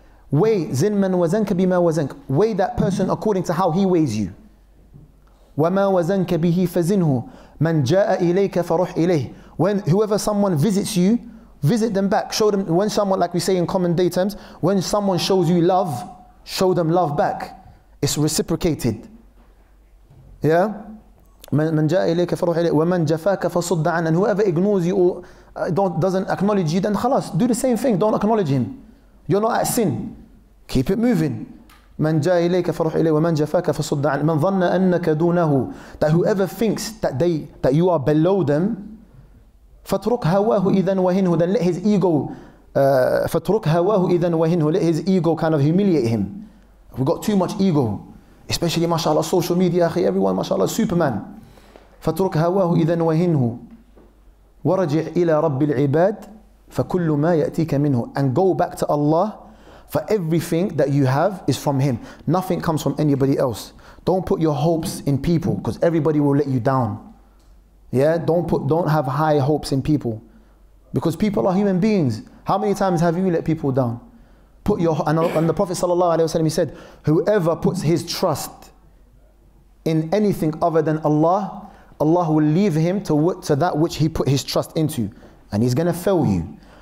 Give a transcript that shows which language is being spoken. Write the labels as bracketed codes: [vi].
[en] Weigh, [ar] "Zin man wazanka bima wazank." [en] Weigh that person according to how he weighs you. [ar] "Wama wazanka bihi fazinhu. Man jaa ilayka faruh ilayh." [en] When whoever someone visits you, visit them back. Show them, when someone, like we say in common day terms, when someone shows you love, show them love back. It's reciprocated. [ar] Yeah, من جاء إليك فروح إليك ومن جفاك فصد عنه. [en] And whoever ignores you or doesn't acknowledge you, then خلاص, do the same thing. Don't acknowledge him. You're not at sin. Keep it moving. [ar] من جاء إليك فروح إليه ومن جفاك فصد عن من ظن أنك دونه. [en] That whoever thinks that they that you are below them, [ar] فترك هواه إذا وهنه. [en] Then let his ego, [ar] فترك هواه إذا وهنه. [en] Let his ego kind of humiliate him. We got too much ego, especially mashallah social media. أخي, everyone mashallah Superman. [ar] فترك هواه إذا وهنه ورجع إلى رب العباد فكل ما يأتيك منه. [en] And go back to Allah. For everything that you have is from Him. Nothing comes from anybody else. Don't put your hopes in people, because everybody will let you down. Yeah, don't have high hopes in people, because people are human beings. How many times have you let people down? Put your and the Prophet sallallahu alaihi wasallam, he said, whoever puts his trust in anything other than Allah, Allah will leave him to that which he put his trust into, and he's gonna fail you.